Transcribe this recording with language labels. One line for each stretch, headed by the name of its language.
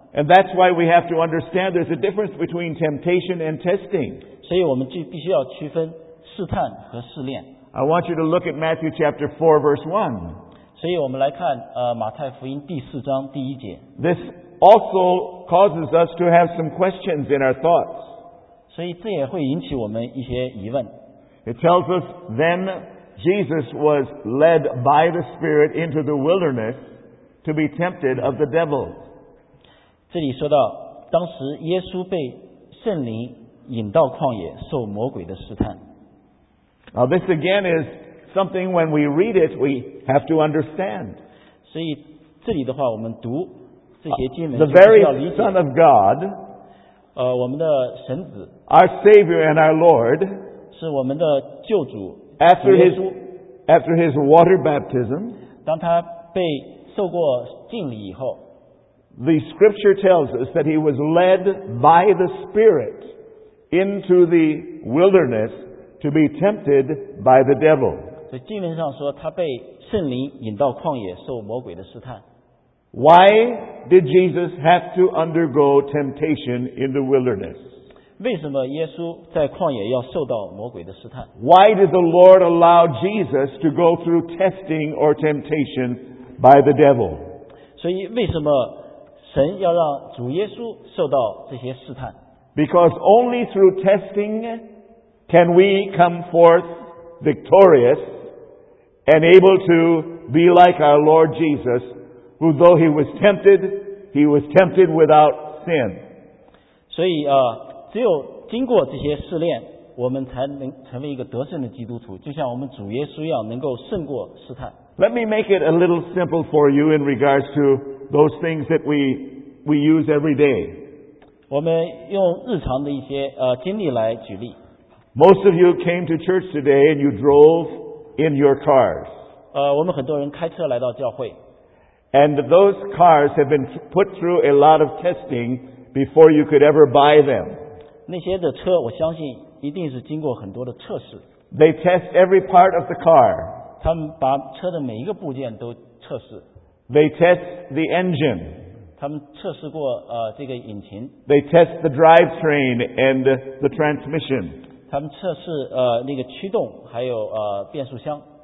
English: And that's why we have to understand there's a difference between temptation and testing.
Chinese: 所以我们就必须要区分试探和试炼。
English: I want you to look at Matthew chapter 4 verse 1.
Chinese: 所以我们来看马太福音第四章第一节。
English: This also causes us to have some questions in our thoughts.
Chinese: 所以这也会引起我们一些疑问。
English: It tells us then,Jesus was led by the Spirit into the wilderness to be tempted of the devil.
Chinese: 这里说到，当时耶稣被圣灵引到旷野，受魔鬼的试探。
English: Now this again is something when we read it, we have to understand.
Chinese: 所以这里的话，我们读这些经文，
English: the very Son of God,
Chinese: 我们的神子
English: ，our Savior and our Lord,
Chinese: 是我们的救主。
English: After his water baptism,
Chinese: 当他被受过浸礼以后
English: the scripture tells us that he was led by the Spirit into the wilderness to be tempted by the devil.
Chinese: 所以经文上说他被圣灵引到旷野受魔鬼的试探。
English: Why did Jesus have to undergo temptation in the wilderness?
Chinese: 为什么耶稣在旷野要受到魔鬼的试探？
English: Why did the Lord allow Jesus to go through testing or temptation by the devil?
Chinese: 所以为什么神要让主耶稣受到这些试探？
English: Because only through testing can we come forth victorious and able to be like our Lord Jesus, who though he was tempted without sin.
Chinese: 所以只有经过这些试炼，我们才能成为一个得胜的基督徒，就像我们主耶稣一样，能够胜过试探。
English: Let me make it a little simple for you in regards to those things that we use every day.
Chinese: 我们用日常的一些经历来举例。
English: Most of you came to church today and you drove in your cars.
Chinese: 我们很多人开车来到教会。
English: And those cars have been put through a lot of testing before you could ever buy them.
Chinese: 那些的车我相信一定是经过很多的测试。
English: They test every part of the car.
Chinese: 他们把车的每一个部件都测试。
English: They test the engine.
Chinese: 他们测试过这个引擎。
English: They test the drivetrain and the transmission.
Chinese: 他们测试那个驱动还有变速箱。